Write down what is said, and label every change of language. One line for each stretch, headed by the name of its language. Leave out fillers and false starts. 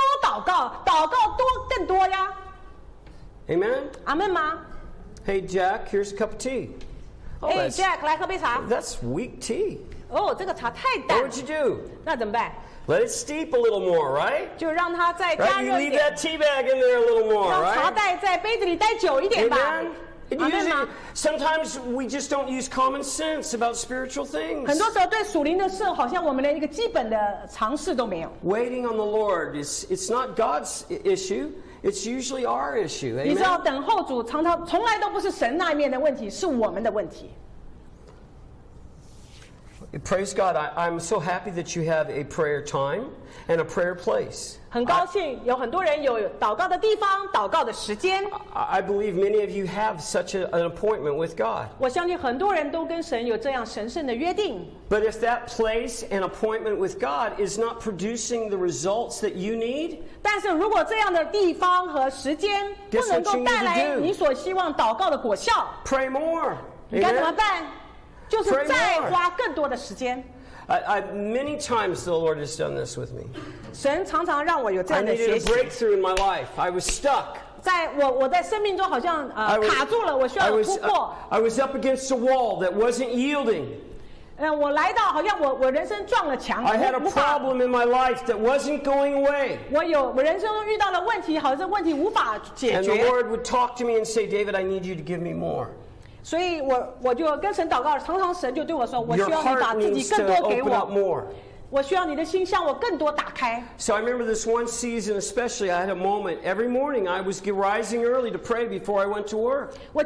Chinese: 你在祷告，你的信心还是没有触摸到神的应许。再祷告，多祷告，祷告多更多呀。
English: Amen.
Chinese: 阿门吗？
English: Hey Jack, here's a cup of tea. Oh, hey
Chinese: Jack, 来喝杯茶.
English: That's weak tea.
Chinese: Oh, 这个茶太淡.
English: What'd you do?
Chinese: 那怎么办?
English: Let it steep a little more, right?
Chinese: 就让它再加热点.
English: Right, you leave that tea bag in there a little more, right?
Chinese: 让茶袋在杯子里待久一点吧.
English: Sometimes we just don't use common sense about spiritual things.
Chinese: 很多时候对属灵的事，好像我们连一个基本的常识都没有.
English: Waiting on the Lord is—it's not God's issue. It's usually our issue. Amen?
Chinese: 你知道等候主常常从来都不是神那面的问题，是我们的问题。
English: Praise God, I'm so happy that you have a prayer time and a prayer place.
Chinese: 很高兴有很多人有祷告的地方，祷告的时间。
English: I believe many of you have such an appointment with God.
Chinese: 我相信很多人都跟神有这样神圣的约定。
English: But if that place and appointment with God is not producing the results that you need,
Chinese: 但是如果这样的地方和时间不能够带来你所希望祷告的果效。
English: Pray more.
Chinese: 你该怎么办？就是再花更多的时间。
English: Many times the Lord has done this with me.
Chinese: 神常常让我有这样的学习。
English: I needed a breakthrough in my life. I was stuck.
Chinese: 在我在生命中好像卡住了，我需要突破。
English: I was up against a wall that wasn't yielding.
Chinese: 我来到好像我人生撞了墙。
English: I had a problem in my life that wasn't going away.
Chinese: 我人生遇到了问题，好像问题无法解决。
English: And the Lord would talk to me and say, David, I need you to give me more.
Chinese: 所以我就跟神祷告，常常神就对我说：“我需要你把自己更多给我。”我需要你的心向我更多打开。So
English: I remember this one season, especially I had a moment every morning I was rising early to pray before I went to work.